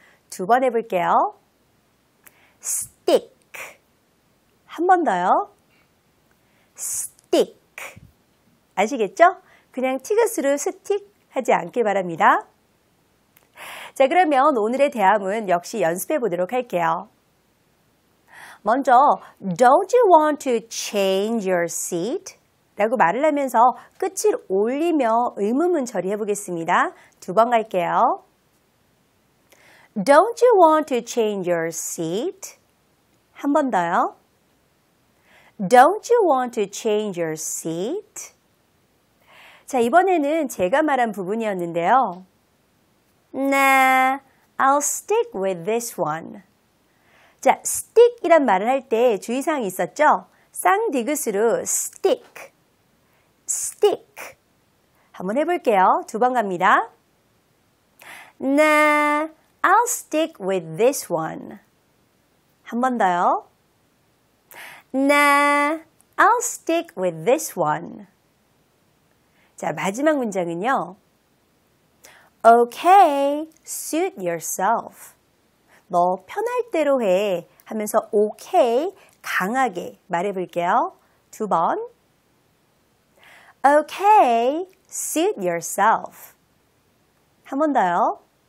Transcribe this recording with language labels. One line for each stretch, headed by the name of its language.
Korean: 두 번 해볼게요. stick 한 번 더요. stick 아시겠죠? 그냥 티귿으로 stick 하지 않길 바랍니다. 자, 그러면 오늘의 대화문 역시 연습해 보도록 할게요.
English: 먼저 Don't you want to change your seat?
Korean: 라고 말을 하면서 끝을 올리며 의문문 처리해 보겠습니다. 두 번 갈게요.
English: Don't you want to change your seat?
Korean: 한 번 더요.
English: Don't you want to change your seat?
Korean: 자, 이번에는 제가 말한 부분이었는데요.
English: Nah, I'll stick with this one.
Korean: 자, stick이란 말을 할 때 주의사항이 있었죠? 쌍디귿으로 stick. stick 한번 해볼게요. 두 번 갑니다.
English: Nah, I'll stick with this one.
Korean: 한 번 더요.
English: Nah, I'll stick with this one.
Korean: 자, 마지막 문장은요.
English: Okay, suit yourself.
Korean: 너 편할 대로 해 하면서 okay 강하게 말해볼게요. 두 번.
English: Okay, suit yourself.
Korean: 한 번 더요.